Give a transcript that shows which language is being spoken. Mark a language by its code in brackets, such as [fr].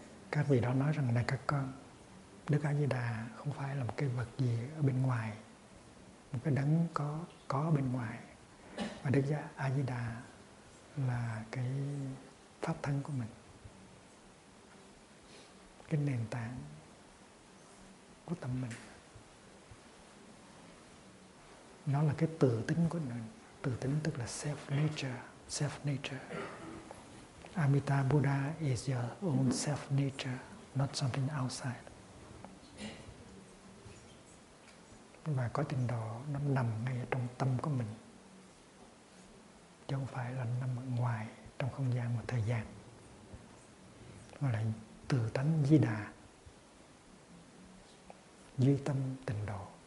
[vi] Các vị đó nói rằng, này các con, Đức A Di Đà không phải là một cái vật gì ở bên ngoài, một cái đấng có bên ngoài, mà Đức A Di Đà là cái pháp thân của mình, cái nền tảng của tâm mình, nó là cái tự tính của mình. Tự tính tức là self nature. [en] Amitabha Buddha is your own self nature, not something outside. [vi] Và cõi tịnh độ nó nằm ngay ở trong tâm của mình, chứ không phải là nằm ở ngoài trong không gian và thời gian. Nó là tự tánh Di Đà, duy tâm tịnh độ.